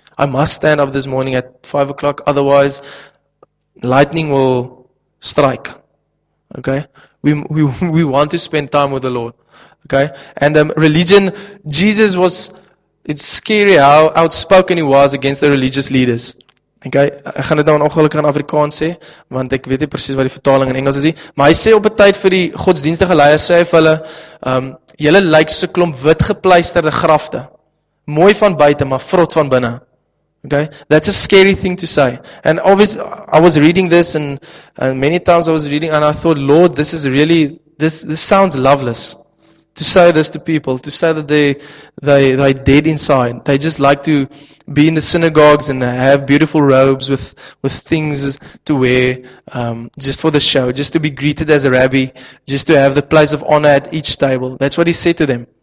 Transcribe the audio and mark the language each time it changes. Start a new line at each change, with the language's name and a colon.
English: I must stand up this morning at 5 o'clock, otherwise lightning will strike." Okay? We want to spend time with the Lord. Okay? And religion, Jesus was, it's scary how outspoken he was against the religious leaders. Okay?
Afrikaans: Ek gaan dit nou in ongelukkige Afrikaans sê, want ek weet nie presies wat die vertaling in Engels is nie. Maar hy sê op 'n tyd vir die godsdienstige leiers, sê hy vir hulle, "Julle lyk so 'n klomp wit gepleisterde grafte. Mooi van buite, maar vrot van binne."
English: Okay, that's a scary thing to say. And obviously, I was reading this, and many times I was reading, and I thought, "Lord, this is really this sounds loveless to say this to people. To say that they're dead inside. They just like to be in the synagogues and have beautiful robes with things to wear, just for the show, just to be greeted as a rabbi, just to have the place of honor at each table." That's what he said to them.